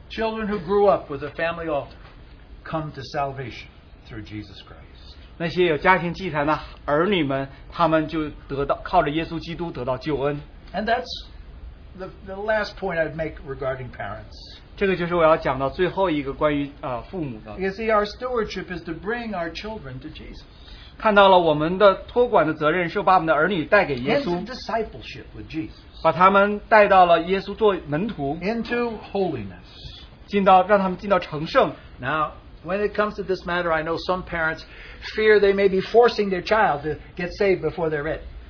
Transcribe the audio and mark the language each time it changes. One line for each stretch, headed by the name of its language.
English: Children who grew up with a family altar come to salvation through Jesus Christ.
Chinese: 那些有家庭祭坛的儿女们, 他们就得到靠着耶稣基督得到救恩。
English: And that's the last point I'd make regarding parents.
Chinese: 这个就是我要讲到最后一个关于父母的。
English: You see, our stewardship is to bring our children to Jesus.
Chinese: 看到了我们的托管的责任是把我们的儿女带给耶稣。
English: Into discipleship with Jesus.
Chinese: 把他们带到了耶稣做门徒。
English: Into holiness.
Chinese: 让他们进到成圣。
English: Now, when it comes to this matter, I know some parents fear they may be forcing their child to get saved before they're ready.